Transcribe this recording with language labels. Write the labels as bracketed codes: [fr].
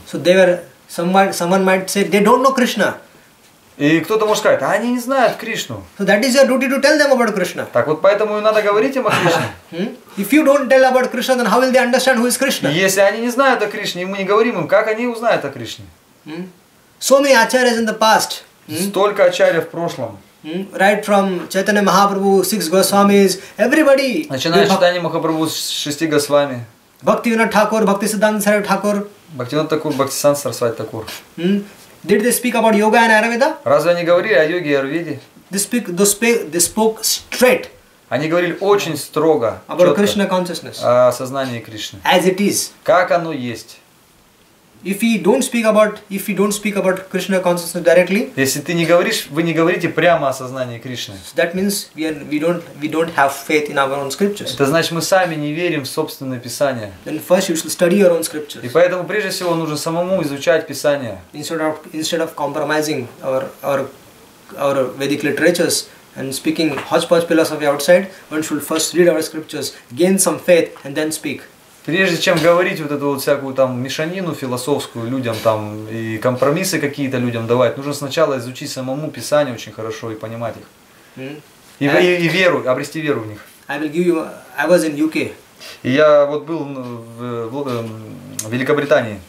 [en] So they were, someone might say, they don't know Krishna. [ru] И кто-то может сказать, а они не знают Кришну. [en] So that is your duty to tell them about Krishna. [ru] Так вот поэтому и надо говорить им о Кришне. [en] If you don't tell about Krishna, then how will they understand who is Krishna? [ru] Если они не знают о Кришне, и мы не говорим им, как они узнают о Кришне? [en] So many acharyas in the past. [ru] Столько ачарьев в прошлом. [en] Right from Chaitanya Mahaprabhu, six Goswamis, everybody. [ru] Начиная с Chaitanya Mahaprabhu, шести Госвами. [en] Bhaktivinoda Thakur, Bhaktisiddhanta Sarasvati Thakur. Bhaktivinoda Thakur, Bhaktisiddhanta Sarasvati Thakur. Did they speak about yoga and Ayurveda? [ru] Разве они говорили о йоге и Аюрведе? [en] They spoke straight. [ru] Они говорили очень строго. [en] About Krishna consciousness. [ru] О сознании Кришны. [en] As it is. [ru] Как оно есть. [en] If we don't speak about Krishna consciousness directly. [ru] Если ты не говоришь, вы не говорите прямо о сознании Кришны. [en] So that means we don't have faith in our own scriptures. [ru] Это значит мы сами не верим в собственное Писание. [en] Then first you should study your own scriptures. [ru] И поэтому прежде всего нужно самому изучать Писание. [en] Instead of compromising our Vedic literatures and speaking hodgepodge philosophy outside, one should first read our scriptures, gain some faith, and then speak. [ru] Прежде чем говорить вот эту вот всякую там мешанину философскую людям там и компромиссы какие-то людям давать, нужно сначала изучить самому Писание очень хорошо и понимать их. И веру, обрести веру в них. [en] I was in UK. [ru] И я вот был в Великобритании.